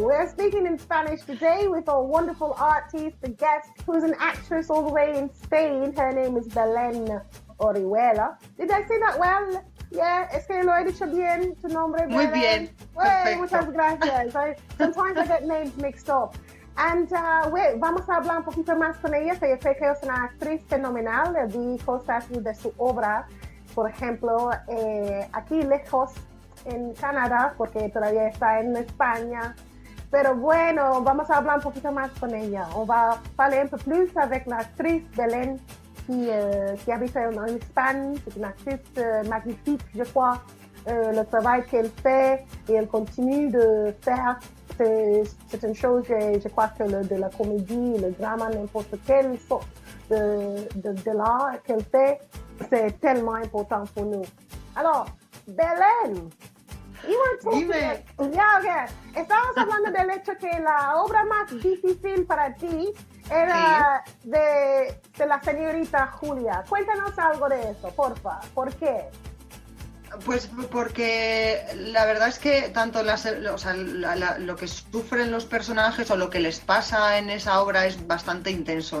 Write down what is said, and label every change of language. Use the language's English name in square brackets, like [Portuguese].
[English] We're speaking in Spanish today with our wonderful artist, the guest, who's an actress all the way in Spain. Her name is Belén Orihuela. Did I say that well? [Spanish] Yeah, es que lo he dicho bien, tu nombre, Belén. Muy bien. [English] Hey, [Spanish] muchas gracias. [English] Sometimes I get names mixed up. [Spanish] And vamos a hablar un poquito más con ella. Yo creo que es una actriz fenomenal. Vi cosas de su obra, por ejemplo, aquí lejos en Canadá, porque todavía está en España. Pero bueno, vamos a hablar un poquito más con ella. O va a hablar un poco más con la actriz Belén, que ha visto en España. Es una actriz magnífica, yo creo. [French] Le travail qu'elle fait et elle continue de faire, c'est une chose, je crois que de la comédie, le drama, n'importe quelle sorte de l'art qu'elle fait, c'est tellement important pour nous. Alors, [Spanish] Belén. Dime. Ya, ok. Estamos hablando del hecho que la obra más difícil para ti era de la señorita Julia. Cuéntanos algo de eso, porfa. ¿Por qué? Pues porque la verdad es que tanto lo que sufren los personajes o lo que les pasa en esa obra es bastante intenso.